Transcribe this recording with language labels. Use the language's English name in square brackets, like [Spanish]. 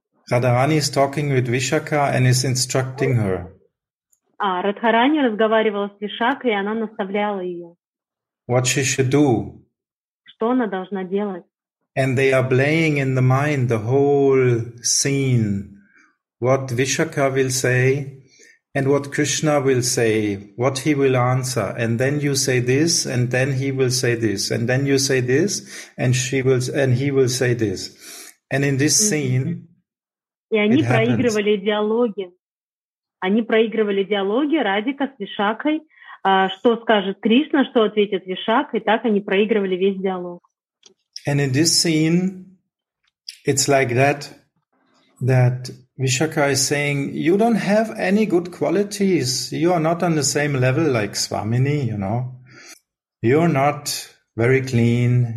[English] Radharani is talking with Vishakha and is instructing her. [Russian] Радхарани разговаривала с Вишакхой, и она наставляла ее. [English] What she should do. [Russian] Что она должна делать? [English] And they are playing in the mind the whole scene. What Vishakha will say and what Krishna will say, what he will answer, and then you say this, and then he will say this, and then you say this, and she will, and he will say this. And in this scene, [Russian] и они проигрывали диалоги. Они проигрывали диалоги Радика с Вишакхой. Что скажет Кришна, что ответит Вишакха, и так они проигрывали весь диалог. [English] And in this scene, it's like that, that Vishakha is saying, you don't have any good qualities. You are not on the same level like Swamini, you know. You are not very clean.